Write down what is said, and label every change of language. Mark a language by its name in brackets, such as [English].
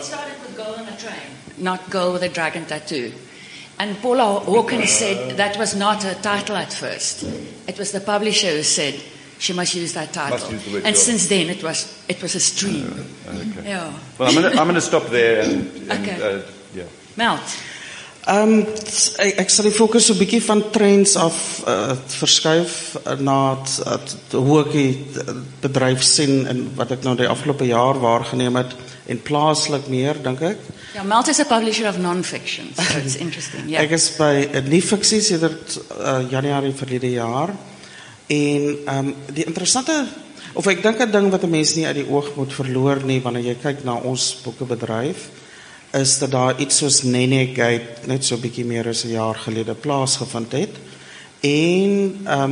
[English] It started with Girl on a Train, not Girl with a Dragon Tattoo. And Paula Hawkins said that was not her title at first. It was the publisher who said she must use that title. Must use the word and girl. Since then, it was a stream. Okay. Yeah. Well, I'm going to stop there and okay. Yeah. Melt. [Afrikaans] Ek sal die fokus so 'n bietjie van trends af verskuif na hoe ek die bedryf sien en wat ek nou die afgelope jaar waargeneem het en plaaslik meer, dink ek. [English] Ja, Malte is a publisher of non-fiction, so it's interesting. Yeah. [Afrikaans] Ek is by nie-fiksie sedert januari verlede jaar en die interessante, of ek dink 'n ding wat 'n mens nie uit die oog moet verloor nie wanneer jy kyk na ons boekebedryf, is dat daar iets soos Nene Gate net so bietjie meer as 'n jaar gelede plaasgevind het en